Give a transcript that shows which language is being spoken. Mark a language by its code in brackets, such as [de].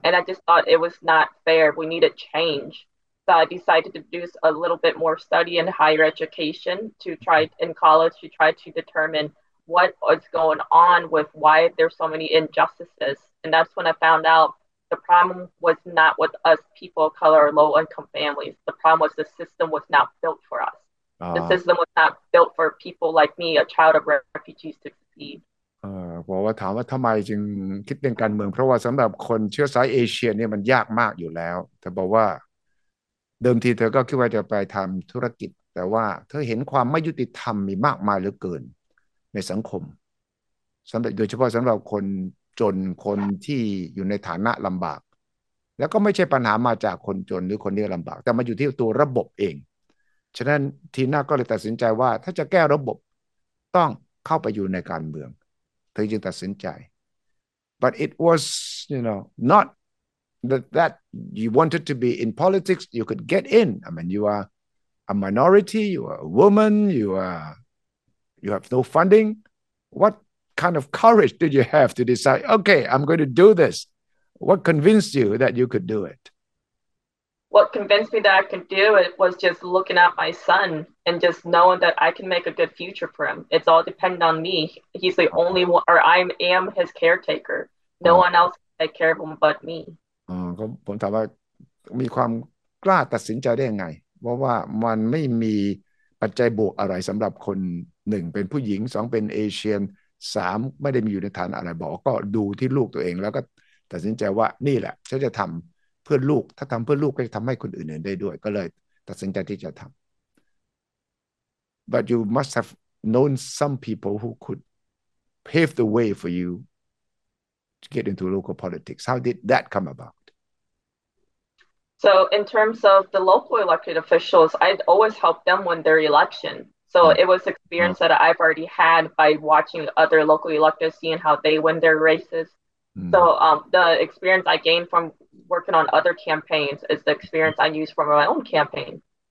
[en] And I just thought it was not fair. We needed change. So I decided to do a little bit more study in higher education to try in college to try to determine what was going on with why there's so many injustices. And that's when I found out the problem was not with us people of color or low income families. The problem was the system was not built for us. The system was not built for people like me, a child of refugees, to succeed. [th] บอกว่าถามว่าทำไมจึงคิดเรื่องการเมืองเพราะว่าสำหรับคนเชื้อสายเอเชียเนี่ยมันยากมากอยู่แล้วแต่บอกว่าเดิมทีเธอก็คิดว่าจะไปทำธุรกิจแต่ว่าเธอเห็นความไม่ยุติธรรมมีมากมายเหลือเกินในสังคม สำหรับโดยเฉพาะสำหรับคนจนคนที่อยู่ในฐานะลำบากแล้วก็ไม่ใช่ปัญหามาจากคนจนหรือคนที่ลำบากแต่มาอยู่ที่ตัวระบบเอง ฉะนั้นทีน่าก็เลยตัดสินใจว่าถ้าจะแก้ระบบต้องเข้าไปอยู่ในการเมืองเธอจึงตัดสินใจ [en] but it was you know not that you wanted to be in politics you could get in I mean you are a minority you are a woman you have no funding what kind of courage did you have to decide okay I'm going to do this what convinced you that you could do it what convinced me that I could do it was just looking at my son and just knowing that I can make a good future for him. It's all dependent on me. He's the only one, or I am his caretaker. No one else can take care of him but me. [th] ผมถามว่ามีความกล้าตัดสินใจได้ยังไงเพราะว่ามันไม่มีปัจจัยบวกอะไรสำหรับคนหนึ่งเป็นผู้หญิงสองเป็นเอเชียนสามไม่ได้มีอยู่ในฐานะอะไรบอกก็ดูที่ลูกตัวเองแล้วก็ตัดสินใจว่านี่แหละฉันจะทำ พื่อลูกถ้าทำเพื่อลูกก็จะทำให้คนอื่นๆได้ด้วยก็เลยตัดสินใจที่จะทำ [en] But you must have known some people who could pave the way for you to get into local politics. How did that come about? So in terms of the local elected officials, I'd always help them win their election. So it was experience that I've already had by watching other local electeds, seeing how they win their races. So the experience I gained from working on other campaigns is the experience I use from my own campaign.